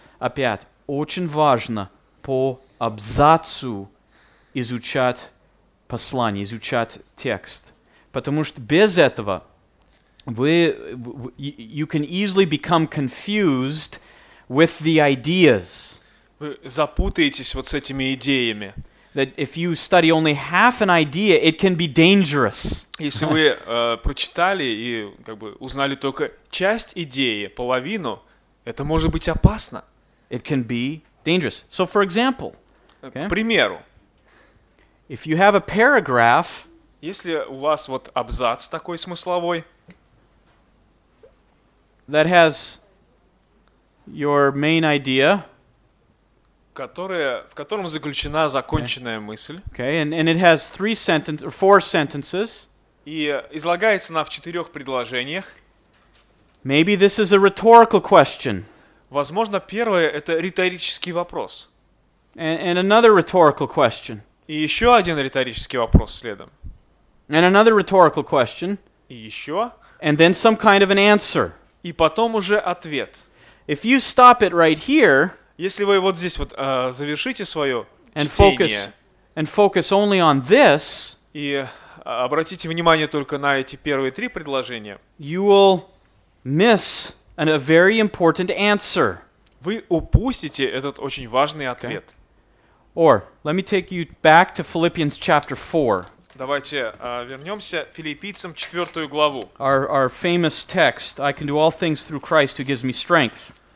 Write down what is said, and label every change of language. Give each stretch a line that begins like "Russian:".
Russian: Опять, очень важно по абзацу изучать послание, изучать текст. Потому что без этого вы,
English: you can easily become confused with the ideas.
Russian: Вы запутаетесь вот с этими идеями.
English: That if you study only half an idea, it can be dangerous.
Russian: Если вы прочитали и как бы узнали только часть идеи, половину, это может быть опасно.
English: It can be dangerous. So, for example,
Russian: okay? К примеру,
English: if you have a paragraph,
Russian: если у вас вот абзац такой смысловой,
English: that has your main idea,
Russian: в котором заключена законченная мысль.
English: Okay, and it has three sentences or four sentences.
Russian: И излагается она в четырех предложениях.
English: Maybe this is a rhetorical question.
Russian: Возможно, первое это риторический вопрос.
English: And another rhetorical question.
Russian: И еще один риторический вопрос следом.
English: And another rhetorical question.
Russian: И еще.
English: And then some kind of an answer.
Russian: И потом уже ответ.
English: If you stop it right here.
Russian: Если вы вот здесь вот завершите свое чтение
English: and focus only on this,
Russian: и обратите внимание только на эти первые три предложения,
English: you will miss a very important answer.
Russian: Вы упустите этот очень важный ответ.
English: Or, let me take you back to Philippians chapter 4.
Russian: Давайте вернемся Филиппийцам 4 главу.
English: Our famous text, I can do all things through Christ who gives me strength.